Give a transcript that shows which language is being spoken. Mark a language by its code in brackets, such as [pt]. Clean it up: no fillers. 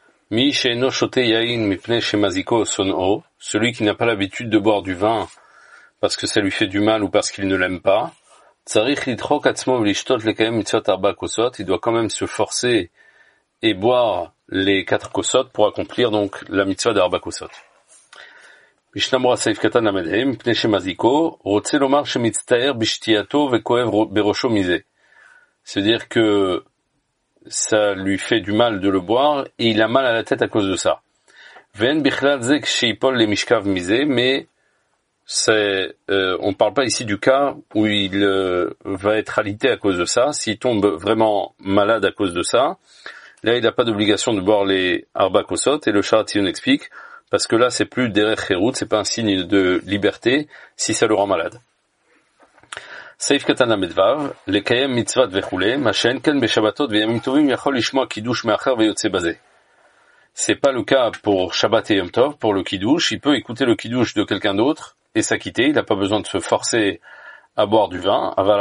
[he] מי שאינו שותה יין מפני שמזיקו או שונאו, [fr] celui qui n'a pas l'habitude de boire du vin parce que ça lui fait du mal ou parce qu'il ne l'aime pas, [he] צריך לדחוק עצמו ולשתות לקיים מצוות ארבע כוסות, [fr] il doit quand même se forcer et boire les quatre כוסות pour accomplir donc la mitzvah d'ארבע כוסות. [he] משנה ברורה סעיף קטן ל"ה, מפני שמזיקו, רוצה לומר שמצטער בשתייתו וכואב בראשו מזה. [fr] C'est-à-dire que ça lui fait du mal de le boire et il a mal à la tête à cause de ça. [he] Ven bichlal zek sheipol le mishkav mize, [fr] mais c'est, on ne parle pas ici du cas où il va être alité à cause de ça. S'il tombe vraiment malade à cause de ça, là il n'a pas d'obligation de boire les arba kosot et le Sharatiyon explique parce que là c'est plus derech cherut, c'est pas un signe de liberté si ça le rend malade. [he] סעיף קטן למדבר, לקיים מצוות וכו', מה שאין כן בשבתות וימים טובים יכול לשמוע קידוש מאחר ויוצא בזה. [fr] C'est pas le cas pour Shabbat et Yom Tov, pour le kiddush, il peut écouter le kiddush de quelqu'un d'autre et s'acquitter, il n'a pas besoin de se forcer à boire du vin.